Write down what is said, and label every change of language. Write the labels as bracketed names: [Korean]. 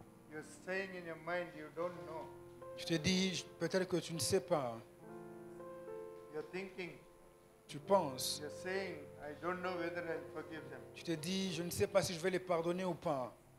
[English] You're saying in your mind you don't know. [French] Je te dis peut-être que tu ne sais pas. [English] You're thinking. [French] Tu penses. [English] You're saying, I don't know whether I'll forgive them. [French] Tu te dis, je ne sais pas si je vais les pardonner ou pas.